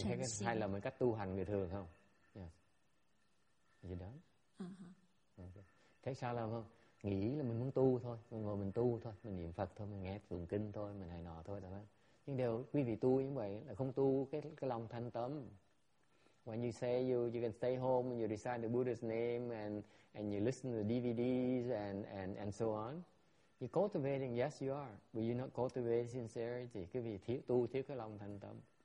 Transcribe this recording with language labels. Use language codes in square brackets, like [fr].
[vi] Quý vị thấy cái sai lầm với cách tu hành người thường không? Yes. Gì đó? Thấy sai lầm không? Nghĩ là mình muốn tu thôi, mình ngồi mình tu thôi, mình niệm Phật thôi, mình nghe tụng kinh thôi, mình hài nọ thôi. Nhưng đều quý vị tu như vậy là không tu cái lòng thanh tâm. [en] When you say you can stay home and you recite the Buddha's name and you listen to the DVDs and so on, you're cultivating, yes you are, but you're not cultivating sincerity. [vi] Quý vị thiếu cái lòng thanh tâm.